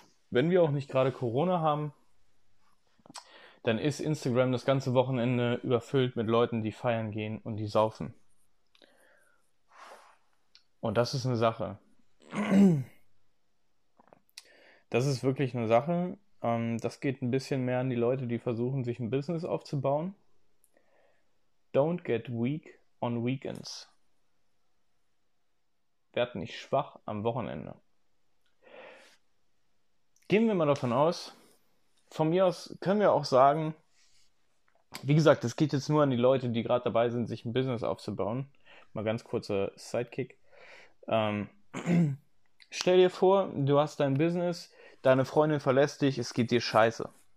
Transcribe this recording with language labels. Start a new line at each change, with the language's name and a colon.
German: Wenn wir auch nicht gerade Corona haben, dann ist Instagram das ganze Wochenende überfüllt mit Leuten, die feiern gehen und die saufen. Und das ist eine Sache. Das ist wirklich eine Sache. Das geht ein bisschen mehr an die Leute, die versuchen, sich ein Business aufzubauen.
English: Don't get weak on weekends.
German: Werd nicht schwach am Wochenende. Gehen wir mal davon aus, von mir aus können wir auch sagen, wie gesagt, es geht jetzt nur an die Leute, die gerade dabei sind, sich ein Business aufzubauen. Mal ganz kurzer Sidekick. Stell dir vor, du hast dein Business, deine Freundin verlässt dich, es geht dir scheiße.